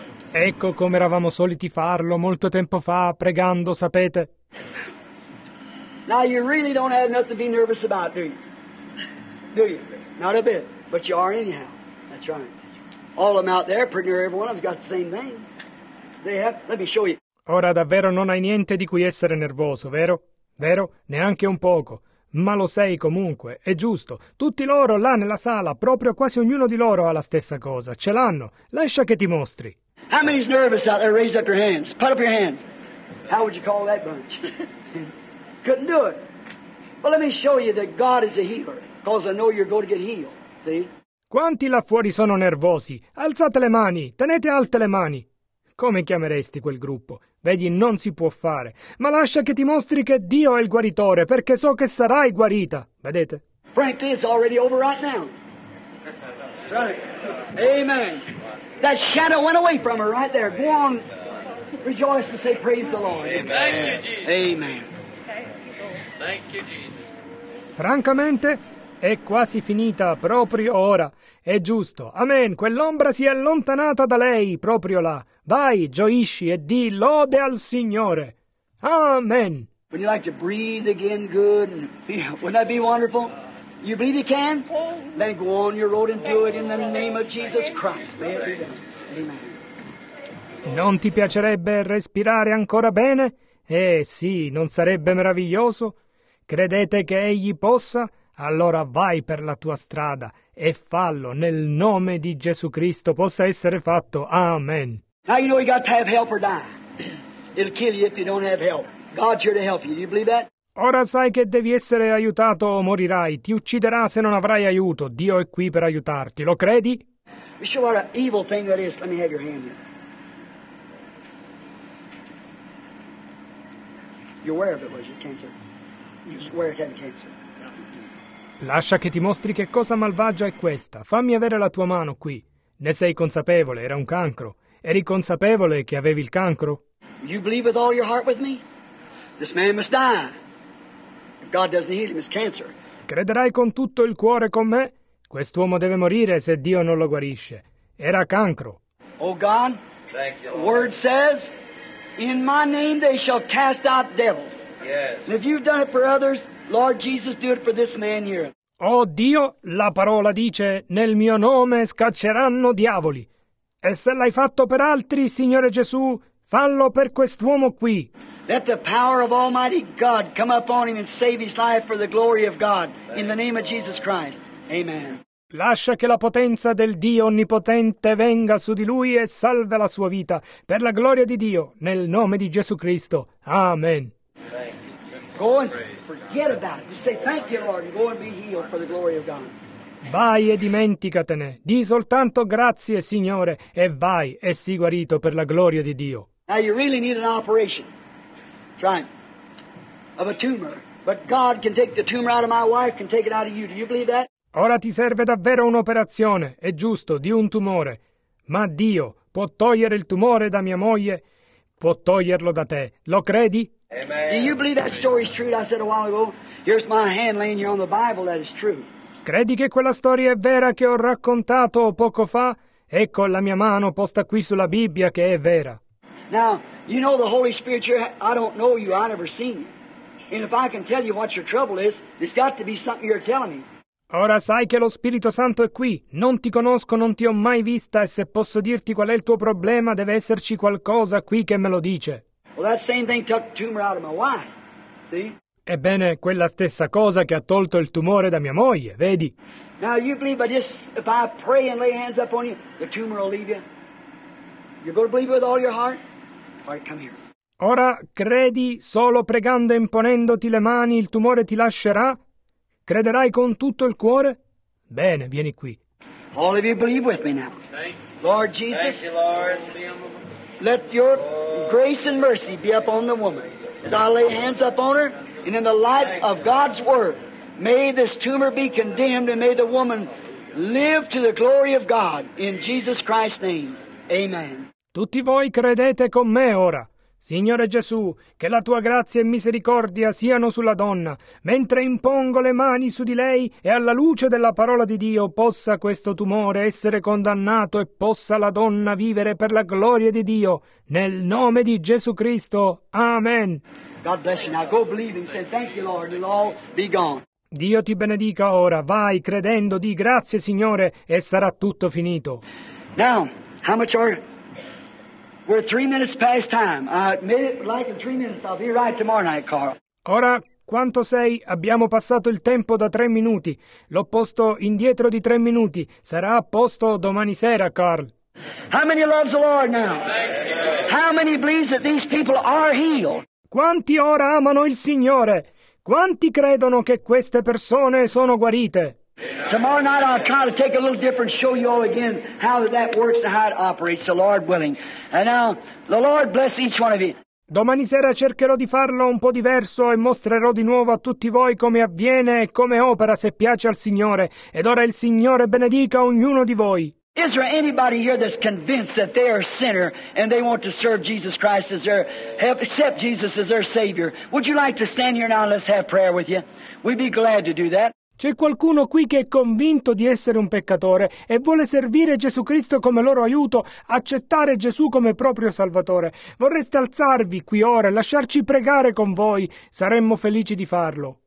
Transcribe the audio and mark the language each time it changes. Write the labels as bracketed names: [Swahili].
[Italian] Ecco come eravamo soliti farlo molto tempo fa, pregando, sapete. [English] Now you really don't have nothing to be nervous about, do you? Do you? Not a bit, but you are anyhow. That's right. All of them out there, pretty near every one of them's got the same name. They have, let me show you. [Italian] Ora davvero non hai niente di cui essere nervoso, vero? Vero? Neanche un poco. Ma lo sei comunque, è giusto. Tutti loro là nella sala, proprio quasi ognuno di loro ha la stessa cosa. Ce l'hanno. Lascia che ti mostri. [English] How many is nervous out there? Raise up your hands. Put up your hands. How would you call that bunch? Couldn't do it. Well, let me show you that God is a healer, because I know you're going to get healed. See? [Italian] Quanti là fuori sono nervosi? Alzate le mani, tenete alte le mani. Come chiameresti quel gruppo? Vedi, non si può fare. Ma lascia che ti mostri che Dio è il guaritore, perché so che sarai guarita. Vedete? [English] Frankly, it's already over right now. Right. Amen. That shadow went away from her right there. Go on. Rejoice and say praise the Lord. Amen. Thank you, Jesus. Amen. Thank you, Jesus. [Italian] Francamente, è quasi finita proprio ora. È giusto. Amen. Quell'ombra si è allontanata da lei proprio là. Vai, gioisci e di lode al Signore. Amen. [English] Would you like to breathe again good? And wouldn't that be wonderful? You believe you can? Then go on your road and do it in the name of Jesus Christ. May it be done. Amen. [Italian] Non ti piacerebbe respirare ancora bene? Sì, non sarebbe meraviglioso? Credete che egli possa? Allora vai per la tua strada e fallo nel nome di Gesù Cristo possa essere fatto. Amen. [English] Now you know you got to have help or die. It'll kill you if you don't have help. God's here to help you. Do you believe that? [Italian] Ora sai che devi essere aiutato o morirai. Ti ucciderà se non avrai aiuto. Dio è qui per aiutarti. Lo credi? [English] You show what an evil thing that is. Let me have your hand here. You're aware of it, was it cancer? You're aware of having cancer. [Italian] Lascia che ti mostri che cosa malvagia è questa. Fammi avere la tua mano qui. Ne sei consapevole, era un cancro. Eri consapevole che avevi il cancro? [English] You believe with all your heart with me? This man must die. If God doesn't heal him, it's cancer. [Italian] Crederai con tutto il cuore con me? Quest'uomo deve morire se Dio non lo guarisce. Era cancro. [English] Oh God, thank you, the word says, in my name they shall cast out devils. Yes. And if you've done it for others, Lord Jesus, do it for this man here. [Italian] Oh Dio, la parola dice, nel mio nome scacceranno diavoli. E se l'hai fatto per altri, Signore Gesù, fallo per quest'uomo qui. [English] Let the power of Almighty God come upon him and save his life for the glory of God. In the name of Jesus Christ. Amen. [Italian] Lascia che la potenza del Dio Onnipotente venga su di lui e salva la sua vita. Per la gloria di Dio, nel nome di Gesù Cristo. Amen. [English] Go and forget about it. Just say thank you, Lord, and go and be healed for the glory of God. [Italian] Vai e dimenticatene. Di soltanto grazie, Signore, e vai e sii guarito per la gloria di Dio. [English] Now you really need an operation. That's right. Of a tumor. But God can take the tumor out of my wife, can take it out of you. Do you believe that? [Italian] Ora ti serve davvero un'operazione, è giusto, di un tumore. Ma Dio può togliere il tumore da mia moglie, può toglierlo da te. Lo credi? Amen. [English] Do you believe that story is true? I said a while ago, here's my hand laying here on the Bible, that is true. [Italian] Credi che quella storia è vera che ho raccontato poco fa? Ecco la mia mano posta qui sulla Bibbia che è vera. [English] Now, you know the Holy Spirit, I don't know you, I've never seen you. And if I can tell you what your trouble is, there's got to be something you're telling me. [Italian] Ora sai che lo Spirito Santo è qui. Non ti conosco, non ti ho mai vista e se posso dirti qual è il tuo problema, deve esserci qualcosa qui che me lo dice. [English] Well, that same thing took the tumor out of my wife. See? [Italian] Ebbene, quella stessa cosa che ha tolto il tumore da mia moglie, vedi? [English] Now you believe by just if I pray and lay hands up on you, the tumor will leave you? You're going to believe with all your heart? All right, come here. [Italian] Ora credi solo pregando e imponendoti le mani il tumore ti lascerà? Crederai con tutto il cuore? Bene, vieni qui. [English] All of you believe with me now. Thank you. Lord Jesus. Thank you, Lord. Let your grace and mercy be upon the woman. As I lay hands up on her, and in the light of God's word, may this tumor be condemned, and may the woman live to the glory of God. In Jesus Christ's name. Amen. [Italian] Tutti voi credete con me ora. Signore Gesù, che la tua grazia e misericordia siano sulla donna, mentre impongo le mani su di lei e alla luce della parola di Dio possa questo tumore essere condannato e possa la donna vivere per la gloria di Dio. Nel nome di Gesù Cristo. Amen. [English] God bless you. Now go believing. Say thank you, Lord. It'll all be gone. [Italian] Dio ti benedica ora. Vai credendo, di grazie, Signore, e sarà tutto finito. [English] Now, how much are... We're 3 minutes past time. I admit it, like in 3 minutes. I'll be right tomorrow night, Carl. [Italian] Ora, quanto sei? Abbiamo passato il tempo da 3 minuti. L'ho posto indietro di 3 minuti. Sarà a posto domani sera, Carl. [English] How many loves the Lord now? How many believes that these people are healed? [Italian] Quanti ora amano il Signore? Quanti credono che queste persone sono guarite? [English] Tomorrow night I'll try to take a little different, show you all again how that works and how it operates, the Lord willing. And now, the Lord bless each one of you. [Italian] Domani sera cercherò di farlo un po' diverso e mostrerò di nuovo a tutti voi come avviene e come opera, se piace al Signore. Ed ora il Signore benedica ognuno di voi. [English] Is there anybody here that's convinced that they are a sinner and they want to serve Jesus Christ as their, have, accept Jesus as their Savior? Would you like to stand here now and let's have prayer with you? We'd be glad to do that. [Italian] C'è qualcuno qui che è convinto di essere un peccatore e vuole servire Gesù Cristo come loro aiuto, accettare Gesù come proprio Salvatore? Vorreste alzarvi qui ora e lasciarci pregare con voi? Saremmo felici di farlo.